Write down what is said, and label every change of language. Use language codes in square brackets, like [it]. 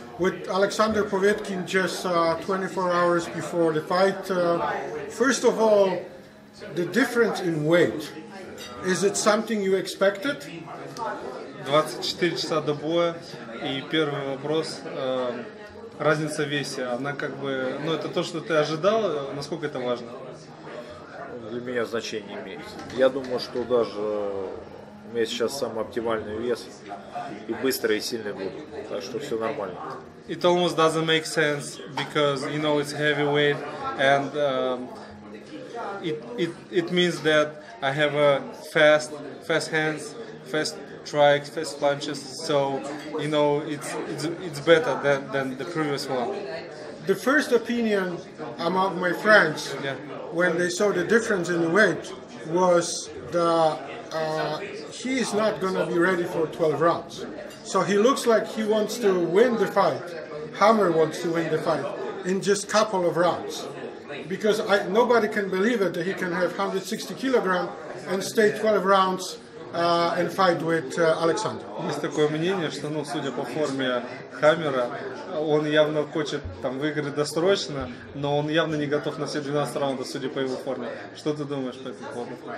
[en] With Alexander Povetkin just 24 hours before the fight, first of all, the difference in weight, is it something you expected? [ru] 24 часа до боя, и первый вопрос, разница в весе, она как бы, ну это то, что ты ожидал, насколько это важно? Для меня значение имеет. Я думаю, что даже у меня сейчас самый оптимальный вес, и быстрый, и сильный буду, так что все нормально. [en] It almost doesn't make sense, because, you know, it's heavyweight, and it means that I have a fast hands, fast strikes, fast punches, so, you know, it's better than the previous one. The first opinion among my friends, yeah, when they saw the difference in the weight, was that he is not going to be ready for 12 rounds. So he looks like he wants to win the fight, Hammer wants to win the fight, in just a couple of rounds. Because nobody can believe it that he can have 160 kilograms and stay 12 rounds and fight with Alexander. [ru] Есть такое мнение, что, ну, судя по форме Хаммера, он явно хочет там выиграть досрочно, но он явно не готов на все 12 раундов, судя по его форме. Что ты думаешь по этому поводу?